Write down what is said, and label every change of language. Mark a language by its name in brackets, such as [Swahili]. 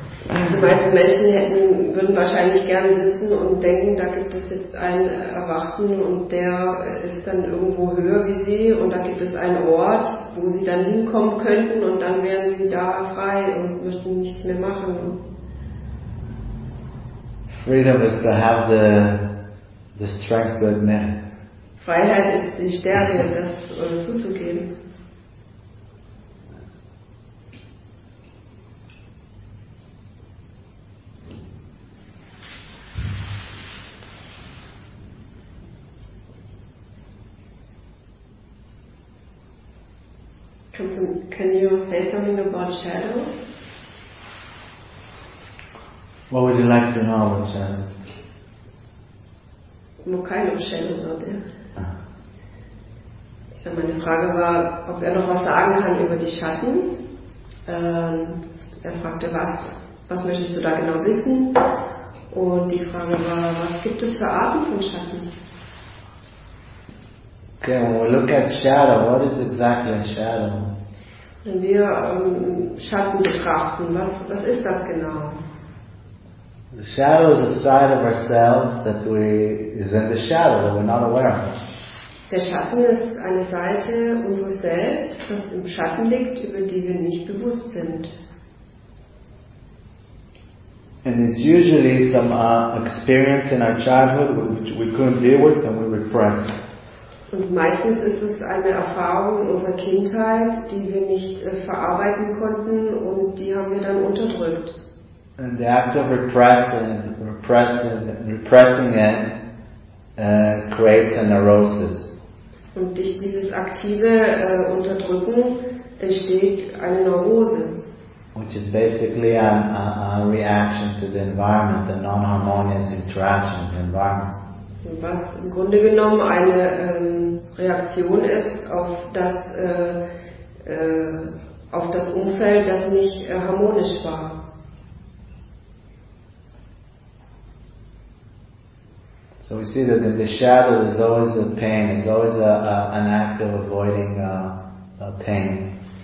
[German] Also meiste Menschen würden wahrscheinlich gerne sitzen und denken, da gibt es jetzt einen Erwachten und der ist dann irgendwo höher wie sie und da gibt es einen Ort, wo sie dann hinkommen könnten und dann wären sie da frei und müssten nichts mehr machen. [English] Freedom is to have the strength to admit. [German] Freiheit ist die Stärke, das zuzugeben. [English] Can you say something about shadows? What would you like to know about shadows? [German] Wo keine Shadows hat er. Ja, meine Frage war, ob er noch was sagen kann über die Schatten. Er fragte, was möchtest du da genau wissen? Und die Frage war, was gibt es für Arten von Schatten? [English] Okay, when we look at shadow, what is exactly a shadow? [German] Wenn wir Schatten betrachten, was ist das genau? [English] The shadow is a side of ourselves that we is in the shadow that we're not aware of. [German] Der Schatten ist eine Seite unseres Selbst, das im Schatten liegt, über die wir nicht bewusst sind. [English] And it's usually some experience in our childhood which we couldn't deal with and we repressed. [German] Und meistens ist es eine Erfahrung in unserer Kindheit, die wir nicht verarbeiten konnten und die haben wir dann unterdrückt. [English] And the act of repressing it creates a neurosis. [German] Und durch dieses aktive Unterdrücken entsteht eine Neurose. [English] Which is basically a reaction to the environment, the non-harmonious interaction with the environment. [German] Was im Grunde genommen eine Reaktion ist auf das Umfeld, das nicht harmonisch war. [English] So we see that in the shadow is always a pain, is always an act of avoiding a pain.